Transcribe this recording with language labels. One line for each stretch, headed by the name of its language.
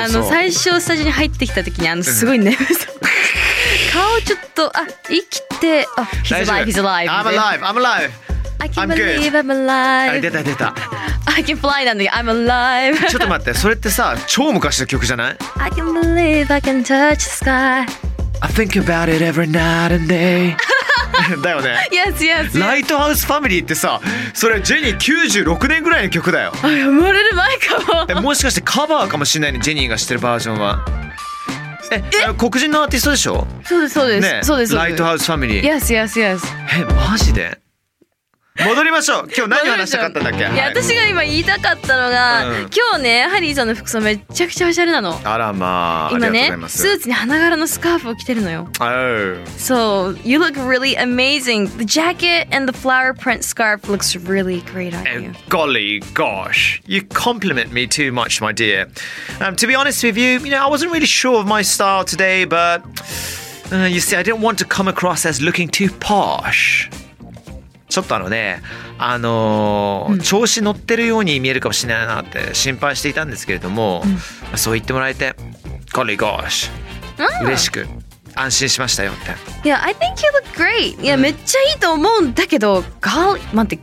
Japanese: あの最初スタジオに入ってきた時にあのすごい眠そう、うん、顔ちょっとあ生きて、あ
English: He's alive, he's alive. I'm alive, I'm alive. I can believe I'm alive.
Japanese: 出た出た。
English: I can fly
Japanese: なんだけど
English: I'm alive.
Japanese: ちょっと待って、それってさ超昔の曲じゃない
English: ？I can believe I can touch the sky. I think about it every night and day.
Japanese: だよね。
English: Yes, yes, yes.
Japanese: ライトハウスファミリーってさ、それジェニー96年ぐらいの曲だよ。あ、生まれる前かも。もしかしてカバーかもしれないね、ジェニーが知ってるバージョンは。え、黒人のアーティストでしょ？そうです、そうです。ね、そうです。ライトハウスファミリー。
English: Yes, yes, yes.
Japanese: え、マジで？戻りましょう。今日何話したかったんだっけ？いや、はい、私が今言いたかったのが、うん、今日ねハリーさんの服装めちゃくちゃおしゃれなの。あらまあ、今ね、ありがとうございます。スーツに花柄のスカーフを着てるのよ。そう、 oh.
English: so, You look really amazing. The jacket and the flower print scarf looks really great on you. Golly gosh, you compliment me too much, my dear. To be honest with you, you know, I wasn't really sure of my style today, but you see, I didn't want to come across as looking too posh.
Japanese: ちょっとあのね、うん、調子乗ってるように見えるかもしれないなって心配していたんですけれども、うん、そう言ってもらえて、
English: Golly gosh、
Japanese: 嬉しく安心しましたよって。
English: Yeah, I think you look great.
Japanese: いや、うん、めっちゃいいと思うんだけど、
English: Golly gosh?